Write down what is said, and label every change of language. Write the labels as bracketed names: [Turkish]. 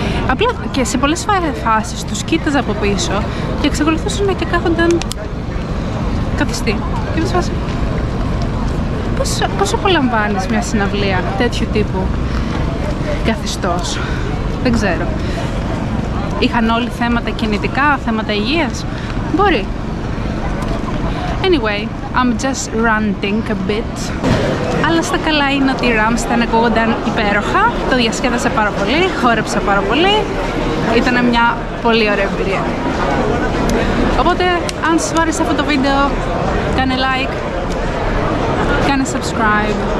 [Greek] Απλά και σε πολλές φάσεις τους κοίταζα από πίσω και εξακολουθούσαν και κάθονταν καθιστή. Και μας φάσαν... Πώς απολαμβάνεις μια συναυλία τέτοιου τύπου? Καθιστός. Δεν ξέρω. Είχαν όλοι θέματα κινητικά, θέματα υγείας. Μπορεί. [English] Anyway, I'm just ranting a bit. [Greek] Αλλά στα καλά είναι ότι οι Rammstein ακούγονταν υπέροχα. Το διασκέδασα πάρα πολύ, χόρεψα πάρα πολύ. Ήταν μια πολύ ωραία εμπειρία. Οπότε, αν σας άρεσε αυτό το βίντεο, κάνε like, κάνε subscribe.